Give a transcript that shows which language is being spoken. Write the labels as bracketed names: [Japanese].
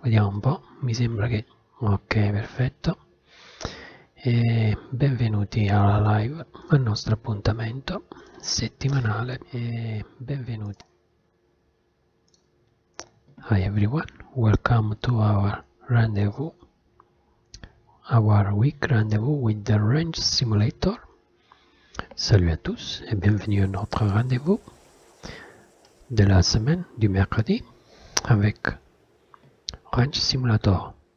[Italian] Vediamo un po', mi sembra che... Ok, perfetto. E benvenuti alla live, al nostro appuntamento settimanale. E benvenuti. [English] Hi everyone, welcome to our rendezvous, our week rendezvous with the Ranch Simulator. [French] Salut à tous et bienvenue à notre rendez-vous de la semaine du mercredi avec Ranch Simulator.